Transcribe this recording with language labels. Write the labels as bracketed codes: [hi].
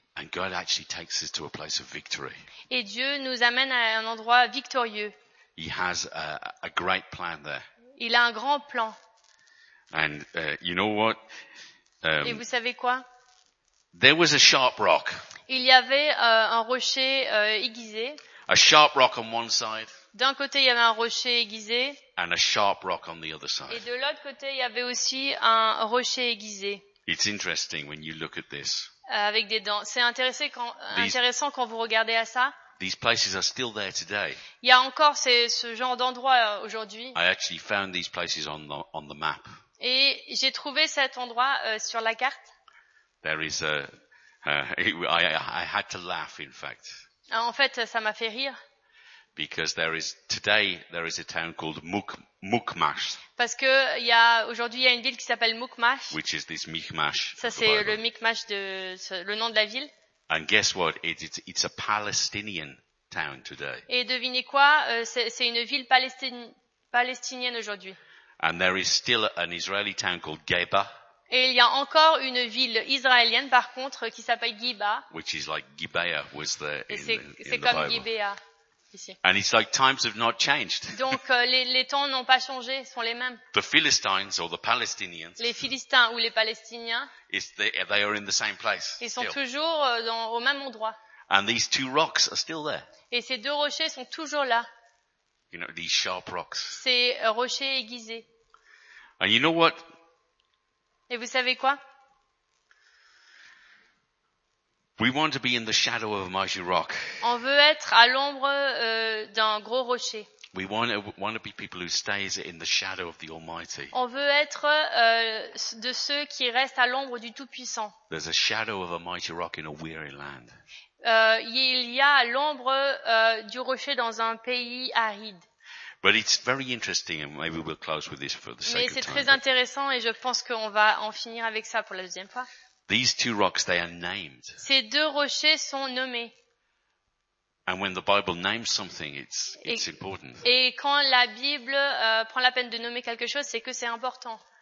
[en] And God actually takes us to a place of victory. [fr] Et Dieu nous amène à un endroit victorieux. [en] He has a great plan there. [fr] Il a un grand plan. [en] And you know what? [fr] Et vous savez quoi? [en] There was a sharp rock. [fr] Il y avait un rocher aiguisé. [en] A sharp rock on one side. [fr] D'un côté, il y avait un rocher aiguisé. [en] And a sharp rock on the other side. [fr] Et de l'autre côté, il y avait aussi un rocher aiguisé. [en] It's interesting when you look at this. [fr] Avec des dents. C'est intéressant quand vous regardez à ça. [en] These places are still there today. [fr] Il y a encore ce genre d'endroit aujourd'hui. [en] I actually found these places on the map. [fr] Et j'ai trouvé cet endroit sur la carte. [en] There is I had to laugh, in fact. [fr] En fait, ça m'a fait rire. [en] Because there is a town called Michmash. [fr] Parce que aujourd'hui il y a une ville qui s'appelle Michmash. [en] Which is this Michmash. [fr] Ça c'est le Michmash le nom de la ville. [en] And guess what? It's a Palestinian town today. [fr] Et devinez quoi? C'est une ville palestinienne aujourd'hui. [en] And there is still an Israeli town called Geba. [fr] Et il y a encore une ville israélienne par contre qui s'appelle Geba. [en] Which is like Gibeah was there [fr] C'est comme Gibeah. Ici. [en] And it's like times have not changed. [fr] Donc les temps n'ont pas changé, sont les mêmes. [en] The Philistines or the Palestinians. [fr] Les Philistins ou les Palestiniens. [en] They are in the same place. [fr] Ils sont toujours au même endroit. [en] And these two rocks are still there. [fr] Et ces deux rochers sont toujours là. [en] You know, these sharp rocks. [fr] Ces rochers aiguisés. [en] And you know what? [fr] Et vous savez quoi? [en] We want to be in the shadow of a mighty rock. [fr] On veut être à l'ombre d'un gros rocher. [en] We want to be people who stays in the shadow of the Almighty. [fr] On veut être de ceux qui restent à l'ombre du Tout-Puissant. [en] There's a shadow of a mighty rock in a weary land. [fr] Il y a l'ombre du rocher dans un pays aride. [en] But it's very interesting, and maybe we'll close with this for the sake of time. [fr] Mais c'est très intéressant, et je pense qu'on va en finir avec ça pour la deuxième fois. [en] These two rocks, they are named. [fr] Ces deux rochers sont nommés. [en] And when the Bible names something, it's important. [fr] Et quand la Bible prend la peine de nommer quelque chose, c'est que c'est important.